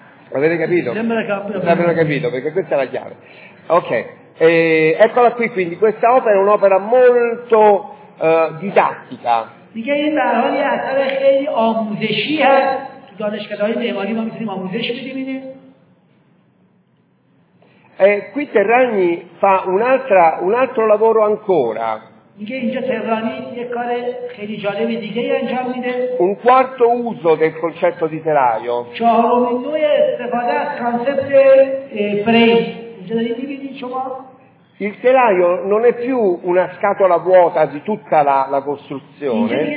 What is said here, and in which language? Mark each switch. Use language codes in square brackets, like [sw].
[it] Avete capito? Avete capito, perché questa è la chiave. Ok, eccola qui quindi, questa opera è un'opera molto didattica. [fa] دیگه این در حالی اثر خیلی آموزشی هست تو دانشکده‌های معماری ما میتونیم آموزش بدیم اینه. [it] Qui Terragni fa un altro lavoro ancora. [fa] دیگه اینجا Terragni یه کار خیلی جالب دیگه انجام میده. [it] Un quarto uso del concetto di telaio. [fa] چهارمین نوع استفاده از کانسپت فریم. اینجا دارید می‌بینید شما؟ [it] Il telaio non è più una scatola vuota di tutta la costruzione.